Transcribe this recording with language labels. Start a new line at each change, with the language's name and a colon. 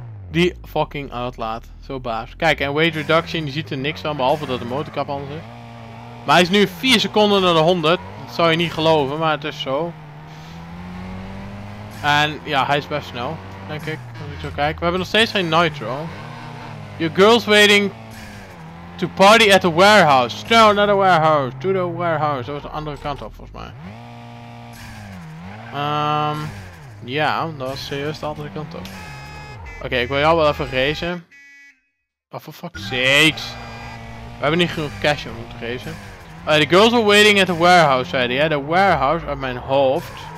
Dutch: Die fucking uitlaat. Zo baas. Kijk, en weight reduction, je ziet er niks van, behalve dat de motorkap anders is. Maar hij is nu 4 seconden naar de 100. Dat zou je niet geloven, maar het is zo. En ja, hij is best snel, denk ik. Als ik zo kijk. We hebben nog steeds geen nitro.
English: Your girl's waiting to party at the warehouse. Snow, not the warehouse. To the warehouse.
Dutch: Dat was de andere kant op, volgens mij. Ja, dat was serieus de andere kant op. Oké, ik wil jou wel even racen.
English: Oh, for fuck's sake.
Dutch: We hebben niet genoeg cash om te racen.
English: The girls are waiting at the warehouse,
Dutch: zei hij. Ja, de warehouse uit mijn hoofd.